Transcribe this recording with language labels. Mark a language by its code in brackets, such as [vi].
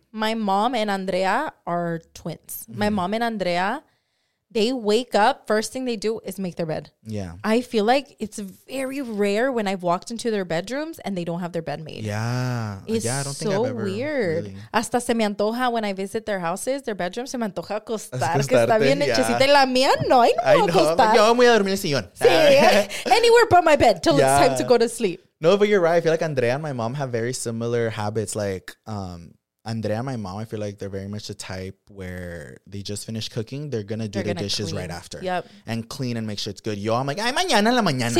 [en] My mom and Andrea are twins. Mm-hmm. My mom and Andrea, they wake up, first thing they do is make their bed. Yeah. I feel like it's very rare when I've walked into their bedrooms and they don't have their bed made. Yeah. It's yeah, I don't so think I've ever weird. Really. [es] Hasta se me antoja [en] when I visit their houses, their bedrooms, [es] se me antoja acostar. Que está bien hechecita la mía. No, I know. Acostar. Yo voy a dormir en el sillón. Sí. [en] Anywhere but my bed till it's time to go to sleep. No, but you're right. I feel like Andrea and my mom have very similar habits. Like, Andrea and my mom, I feel like they're very much the type where they just finished cooking. They're going to do their dishes clean. Right after. Yep. And clean and make sure it's good. Yo, I'm like, [es] ay, mañana la mañana.